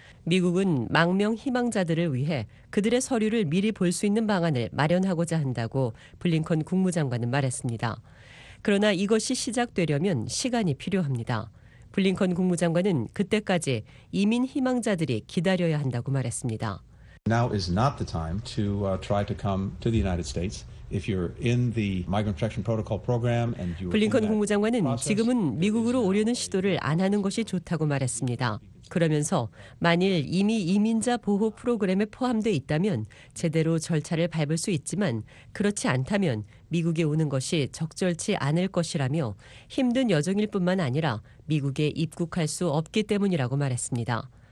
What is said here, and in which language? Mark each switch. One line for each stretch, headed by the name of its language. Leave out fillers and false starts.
Korean: 미국은 망명 희망자들을 위해 그들의 서류를 미리 볼 수 있는 방안을 마련하고자 한다고 블링컨 국무장관은 말했습니다. 그러나 이것이 시작되려면 시간이 필요합니다. 블링컨 국무장관은 그때까지 이민 희망자들이 기다려야 한다고 말했습니다.
English: Now is not the time to try to come to the United States. If you're in the migrant protection protocol program and you
Korean: 블링컨 국무장관은 지금은 미국으로 오려는 시도를 안 하는 것이 좋다고 말했습니다. 그러면서 만일 이미 이민자 보호 프로그램에 포함돼 있다면 제대로 절차를 밟을 수 있지만 그렇지 않다면 미국에 오는 것이 적절치 않을 것이라며 힘든 여정일 뿐만 아니라 미국에 입국할 수 없기 때문이라고 말했습니다.